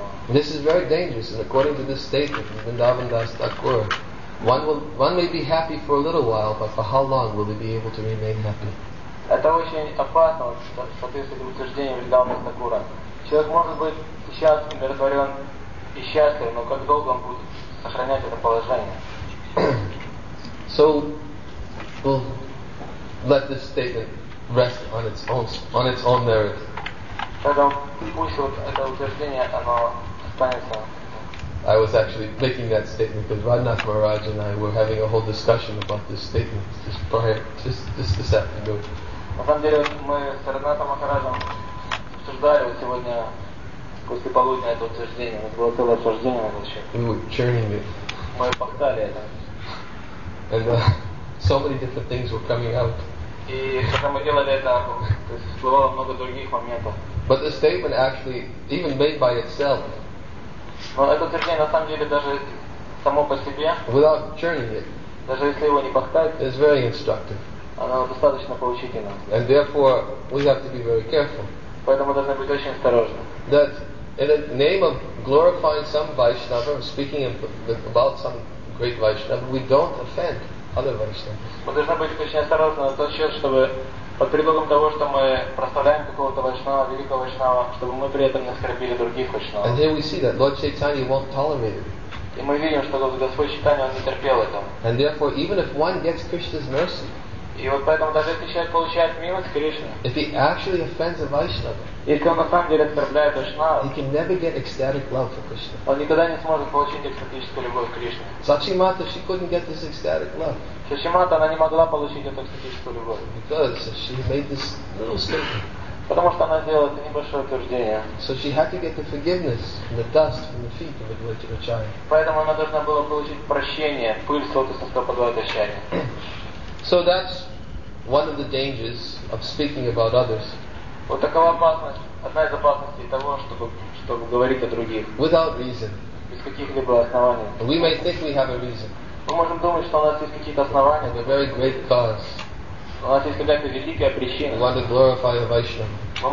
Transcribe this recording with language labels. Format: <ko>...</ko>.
<en>This is very dangerous, and according to this statement of Vrindavan Das Thakur, one may be happy for a little while, but for how long will they be able to remain happy?</en> <ru>Это очень опасно, в соответствии с утверждением Вильдама Стакура. Человек может быть сейчас умиротворен и счастлив, но как долго он будет сохранять это положение?</ru> <en>So, we'll let this statement rest on its own merit.</en> <ru>Поэтому пусть вот это утверждение, оно останется.</ru> <en>I was actually making that statement because Radhanath Maharaj and I were having a whole discussion about this statement just this afternoon.</en> <ru>На самом деле, мы с Радхнатом Махараджем обсуждали сегодня после полудня это утверждение. У нас было целое обсуждение на этот счет.</ru> <en>We were churning it.</en> <ru>Мы пахтали это.</ru> <en>And so many different things were coming out.</en> <ru>И когда мы делали это, то есть всплывало много других моментов.</ru> <en>But the statement actually, even made by itself,</en> <ru>но это утверждение на самом деле даже само по себе,</ru> <en>without churning it,</en> <ru>даже если его не пахтать,</ru> <en>is very instructive.</en> <ru>Оно достаточно поучительно.</ru> <en>And therefore we have to be very careful.</en> <ru>Поэтому должны быть очень осторожны.</ru> <en>That in the name of glorifying some Vaishnava, speaking about some great Vaishnava, we don't offend other Vaishnavas.</en> <ru>Мы должны быть очень осторожны на тот счет, чтобы под предлогом того, что мы прославляем какого-то Вайшнава, великого Вайшнава, чтобы мы при этом не оскорбили других Вайшнава.</ru> <en>And here we see that Lord Chaitanya won't tolerate it.</en> <ru>И мы видим, что Господь Чайтанья не терпел это.</ru> <en>And therefore, even if one gets Krishna's mercy,</en> <ru>и вот поэтому даже если человек получает милость Кришны,</ru> <en>if he actually offends a Vaishnava,</en> <ru>если он на самом деле оскорбляет Вайшнава,</ru> <en>he can never get ecstatic love for Krishna.</en> <ru>Он никогда не сможет получить экстатическую любовь к Кришне.</ru> <en>Сачимата, she couldn't get this ecstatic love.</en> <ru>Сачимата, она не могла получить эту экстатическую любовь.</ru> <en>Because she made this little statement.</en> <ru>Потому что она сделала это небольшое утверждение.</ru> <en>So she had to get the forgiveness and the dust from the feet of Advaita Acharya.</en> <ru>Поэтому она должна была получить прощение, пыль с лотоса стоп Адвайта Ачарьи.</ru> <en>So that's one of the dangers of speaking about others.</en> <ru>Вот такова опасность, одна из опасностей того, чтобы говорить о других.</ru> <en>Without reason.</en> <ru>Без каких-либо оснований.</ru> <en>We may think we have a reason.</en> <ru>Мы можем думать, что у нас есть какие-то основания.</ru> <en>A very great cause.</en> <ru>У нас есть какая-то великая причина.</ru> <en>We want to glorify the Vaishnava.</en>